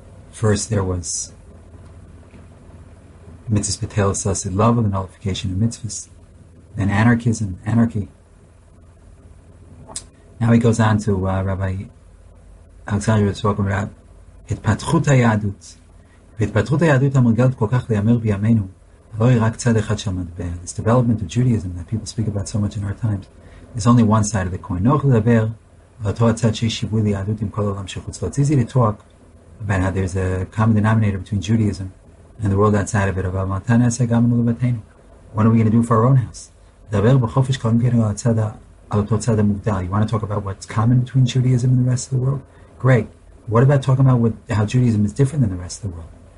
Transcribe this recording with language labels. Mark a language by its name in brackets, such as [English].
[English] First, there was mitzvahs betelus sasid love, the nullification of mitzvahs, then anarchism, anarchy. Now he goes on to Rabbi Alexander was talking about [Hebrew] התפתחות היהדות. והתפתחות היהדות המרגלת כל כך להיאמר בימינו, לא היא רק צד אחד של מטבע. [English] This development of Judaism that people speak about so much in our times is only one side of the coin. [Hebrew] נוח לדבר על אותו הצד שיש שיווי ליהדות עם כל העולם שחוץ לו. [English] It's easy to talk about how there's a common denominator between Judaism and the world outside of it. [Hebrew] אבל מתי נעשה גם לנו לבתינו? [English] What are we going to do for our own house? [Hebrew] לדבר בחופש קודם כן על הצד ה... [English] You want to talk about what's common between Judaism and the rest of the world? Great. What about talking about how Judaism is different than the rest of the world?